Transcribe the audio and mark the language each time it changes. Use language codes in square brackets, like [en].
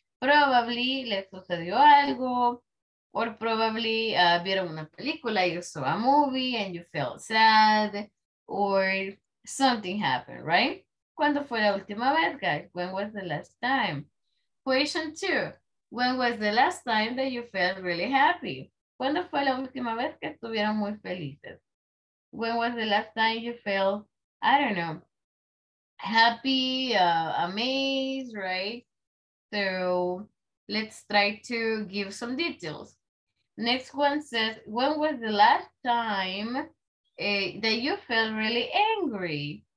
[en] Probably [es] le sucedió algo. [en] Or probably [es] vieron una película, [en] you saw a movie and you felt sad. Or something happened, right? [es] ¿Cuándo fue la última vez, [en] guys? When was the last time? Question two. When was the last time that you felt really happy? [es] ¿Cuándo fue la última vez que estuvieron muy felices? [en] When was the last time you felt, I don't know, happy, amazed, right? So let's try to give some details. Next one says, when was the last time that you felt really angry?